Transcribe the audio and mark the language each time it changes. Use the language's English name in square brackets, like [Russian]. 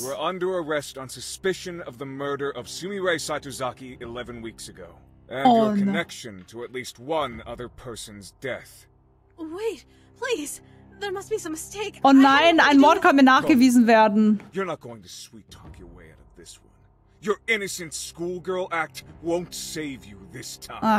[English] You were under arrest on suspicion of the murder of Sumire Saitozaki 11 weeks ago. And your connection to at least one other person's death. Wait, please. There must be some mistake. [German] Oh nein, ein Mord kann mir nachgewiesen werden. [English] You're not going to sweet talk your way out of this one. Your innocent schoolgirl act won't save you this time.